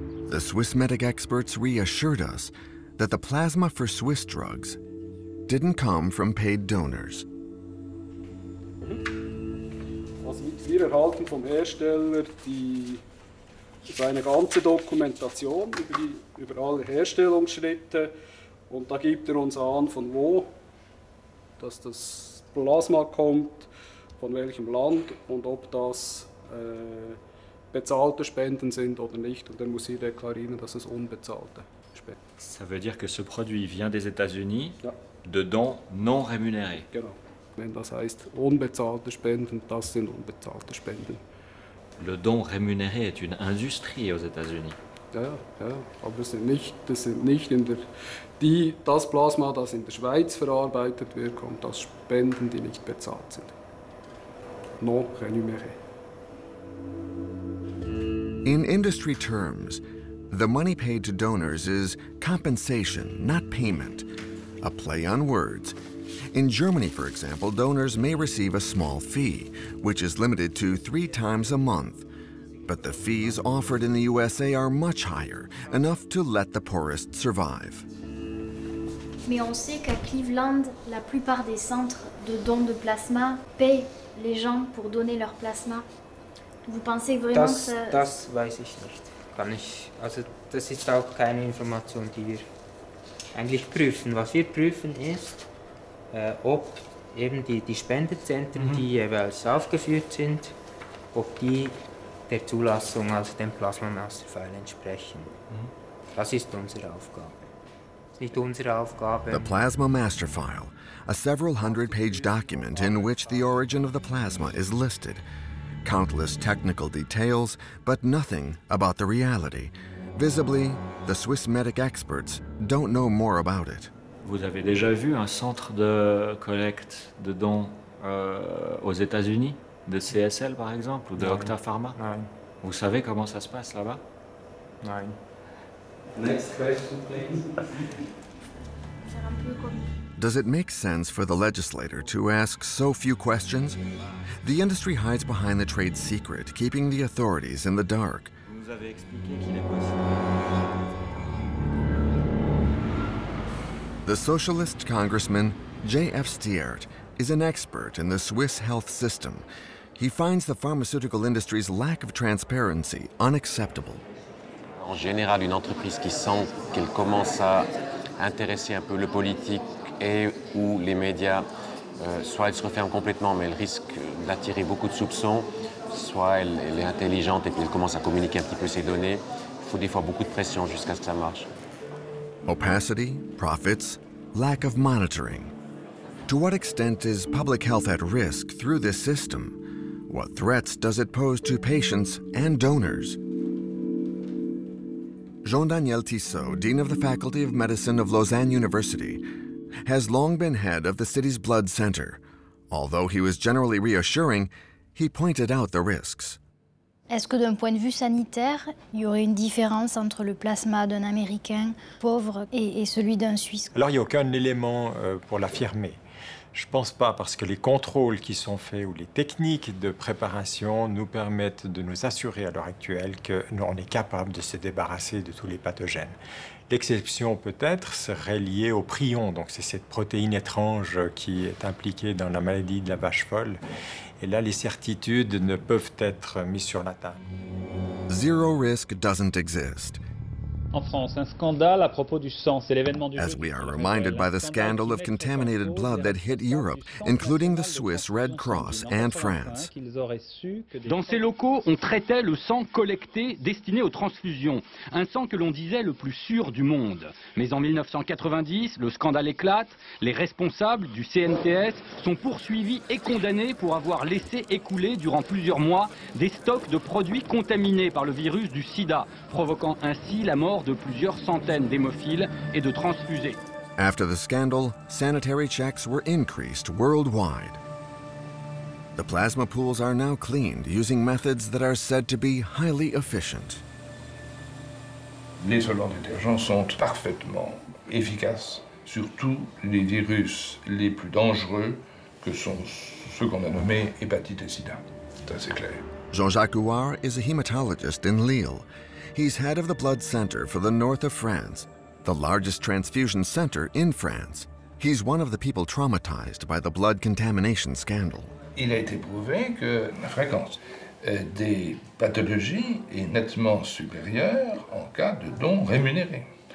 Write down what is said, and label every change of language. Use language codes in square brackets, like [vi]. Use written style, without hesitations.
[en] The Swiss medic experts reassured us that the plasma for Swiss drugs didn't come from paid donors. [de] Also mit wir erhalten vom Hersteller die seine ganze Dokumentation über alle Herstellungsschritte. Und da gibt er uns an, von wo dass das Plasma kommt, von welchem Land und ob das bezahlte Spenden sind oder nicht. Und dann muss ich deklarieren, dass es unbezahlte Spenden sind. [fr] Ça veut dire que ce produit vient des États-Unis, [de] ja, [fr] de dons non rémunérés. [de] Genau. Wenn das heißt unbezahlte Spenden, das sind unbezahlte Spenden. [fr] Le don rémunéré est une industrie aux États-Unis. [de] Ja, ja, aber das sind nicht in der die das Plasma, das in der Schweiz verarbeitet wird, kommt aus Spenden, die nicht bezahlt sind. [fr] Non rémunéré. [en] In industry terms, the money paid to donors is compensation, not payment. A play on words. In Germany, for example, donors may receive a small fee, which is limited to 3 times a month. But the fees offered in the USA are much higher, enough to let the poorest survive. [fr] Mais on sait qu'à Cleveland, la plupart des centres de dons de plasma paient les gens pour donner leur plasma. Vous pensez vraiment [de] das, [fr] que... [de] Das weiß ich nicht. Kann ich... Also, das ist auch keine Information, die wir eigentlich prüfen. Was wir prüfen ist, ob eben die Spendezentren, die jeweils aufgeführt sind, ob die der Zulassung, also dem Plasma Master File entsprechen. Das ist unsere Aufgabe. Das ist nicht unsere Aufgabe. [en] The Plasma Master File, a several hundred page document in which the origin of the plasma is listed. Countless technical details, but nothing about the reality. Visibly, the Swiss medic experts don't know more about it. [fr] Vous avez déjà vu un centre de collecte de dons aux États-Unis, de CSL par exemple, ou de Octa Pharma? Non. Vous savez comment ça se passe là-bas? Non. [en] Next question, please. Does it make sense for the legislator to ask so few questions? The industry hides behind the trade secret, keeping the authorities in the dark. [fr] Vous avez expliqué qu'il est possible. [en] The socialist congressman, J.F. Stiert, is an expert in the Swiss health system. He finds the pharmaceutical industry's lack of transparency unacceptable. [fr] En général, une entreprise qui sent qu'elle commence à intéresser un peu le politique et ou les médias, soit elle se referme complètement, mais elle risque d'attirer beaucoup de soupçons, soit elle est intelligente et puis elle commence à communiquer un petit peu ses données. Il faut des fois beaucoup de pression jusqu'à ce que ça marche. [en] Opacity, profits, lack of monitoring. To what extent is public health at risk through this system? What threats does it pose to patients and donors? Jean-Daniel Tissot, Dean of the Faculty of Medicine of Lausanne University, has long been head of the city's blood center. Although he was generally reassuring, he pointed out the risks. [fr] Est-ce que d'un point de vue sanitaire, il y aurait une différence entre le plasma d'un Américain pauvre et celui d'un Suisse? Alors, il n'y a aucun élément pour l'affirmer. Je ne pense pas, parce que les contrôles qui sont faits ou les techniques de préparation nous permettent de nous assurer à l'heure actuelle que nous, on est capable de se débarrasser de tous les pathogènes. L'exception peut-être serait liée au prion, donc c'est cette protéine étrange qui est impliquée dans la maladie de la vache folle. Et là, les certitudes ne peuvent être mises sur la table. [en] Zero risk doesn't exist. [fr] En France, un scandale à propos du sang, c'est l'événement du jour. [en] As we are reminded by the scandal of contaminated blood that hit Europe, including the Swiss Red Cross and France. [fr] Dans ces locaux, on traitait le sang collecté destiné aux transfusions, un sang que l'on disait le plus sûr du monde. Mais en 1990, le scandale éclate, les responsables du CNTS sont poursuivis et condamnés pour avoir laissé écouler durant plusieurs mois des stocks de produits contaminés par le virus du sida, provoquant ainsi la mort de plusieurs centaines d'hémophiles et de transfusés. [en] After the scandal, sanitary checks were increased worldwide. The plasma pools are now cleaned using methods that are said to be highly efficient. [fr] Les solvants détergents sont parfaitement efficaces sur tous les virus les plus dangereux que sont ceux qu'on a nommés hépatite et sida. Ça c'est clair. [en] Jean-Jacques Houard is a hematologist in Lille. He's head of the blood center for the north of France, the largest transfusion center in France. He's one of the people traumatized by the blood contamination scandal. [fr] Il a été prouvé que la fréquence des pathologies est nettement supérieure en cas de don rémunéré.